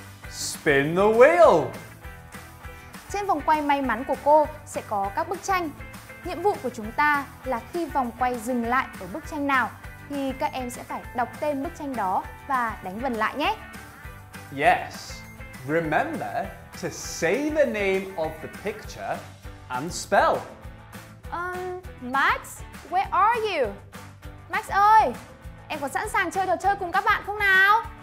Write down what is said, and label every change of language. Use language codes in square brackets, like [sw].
[en] Spin the Wheel! [vi] Trên vòng quay may mắn của cô sẽ có các bức tranh. Nhiệm vụ của chúng ta là khi vòng quay dừng lại ở bức tranh nào thì các em sẽ phải đọc tên bức tranh đó và đánh vần lại nhé. [en] Yes. Remember to say the name of the picture and spell. Max, where are you? [vi] Max ơi, em có sẵn sàng chơi trò chơi cùng các bạn không nào?